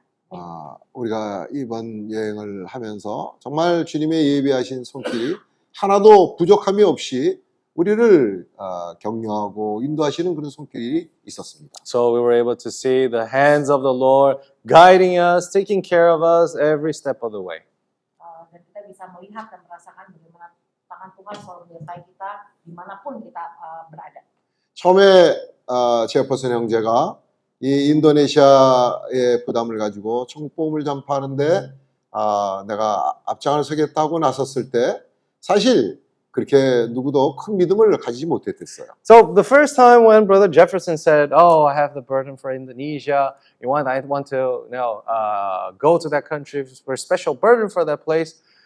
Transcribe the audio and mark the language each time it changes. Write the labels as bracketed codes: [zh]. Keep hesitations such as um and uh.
[ko] Uh, 우리가 이번 여행을 하면서 정말 주님의 예비하신 손길이 하나도 부족함이 없이 우리를 uh, 격려하고 인도하시는 그런 손길이 있었습니다. [en] So we were able to see the hands of the Lord guiding us, taking care of us every step of the way. [id] melihat dan merasakan bagaimana tangan Tuhan selalu menyertai kita dimanapun kita berada. [ko] 처음에 제퍼슨 형제가 이 인도네시아의 부담을 가지고 청복음을 전파하는데 내가 앞장을 서겠다고 나섰을 때 사실 그렇게 누구도 큰 믿음을 가지지 못했었어요. [en] So the first time when Brother Jefferson said, "Oh, I have the burden for Indonesia. You want, I want to, you know, go to that country for a special burden for that place."